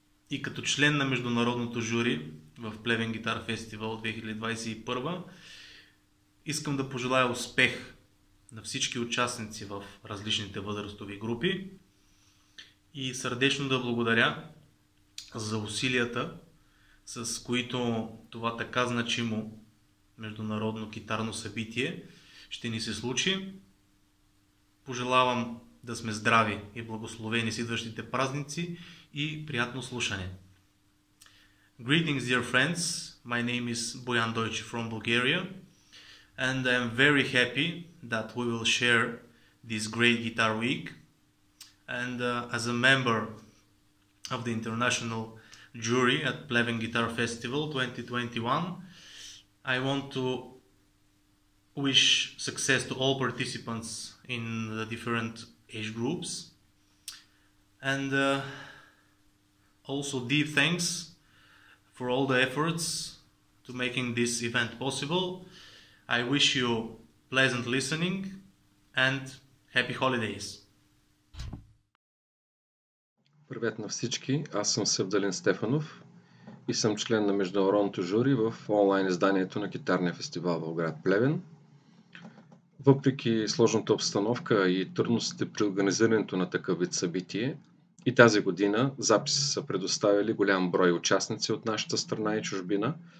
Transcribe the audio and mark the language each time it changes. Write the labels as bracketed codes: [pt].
[bg] И като член на международното жури в Плевен Гитар Фестивал 2021, искам да пожелая успех на всички участници в различните възрастови групи и сърдечно да благодаря за усилията, с които това така значимо международно китарно събитие ще ни се случи. Пожелавам да сме здрави и благословени с идващите празници и приятно слушане. [en] Greetings dear friends, my name is Bojan Dojci from Bulgaria and I am very happy that we will share this great guitar week and as a member of the international jury at Pleven Guitar Festival 2021. I want to wish success to all participants in the different age groups and also deep thanks for all the efforts to making this event possible. I wish you pleasant listening and happy holidays. [bg] Привет на всички! Аз съм Севдалин Стефанов и съм член на международното жури в онлайн изданието на китарния фестивал в град Плевен. Въпреки сложната обстановка и трудностите при организирането на такъв вид събитие, и тази година записи са предоставили голям брой участници от нашата страна и чужбина.